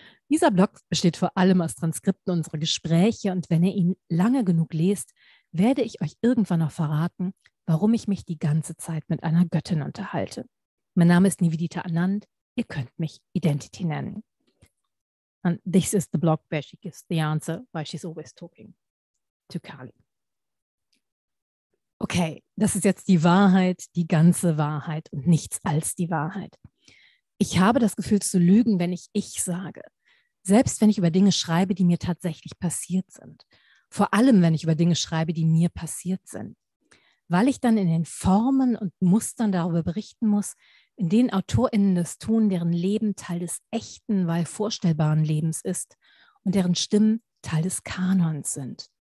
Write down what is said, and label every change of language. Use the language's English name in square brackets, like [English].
[German] Dieser Blog besteht vor allem aus Transkripten unserer Gespräche und wenn ihr ihn lange genug lest, werde ich euch irgendwann noch verraten, warum ich mich die ganze Zeit mit einer Göttin unterhalte. Mein Name ist Nivedita Anand, ihr könnt mich Identity nennen. [English] And this is the blog where she gives the answer, why she's always talking to Carly. [German] Okay, das ist jetzt die Wahrheit, die ganze Wahrheit und nichts als die Wahrheit. Ich habe das Gefühl zu lügen, wenn ich sage. Selbst wenn ich über Dinge schreibe, die mir tatsächlich passiert sind. Vor allem, wenn ich über Dinge schreibe, die mir passiert sind. Weil ich dann in den Formen und Mustern darüber berichten muss, in denen AutorInnen das tun, deren Leben Teil des echten, weil vorstellbaren Lebens ist und deren Stimmen Teil des Kanons sind.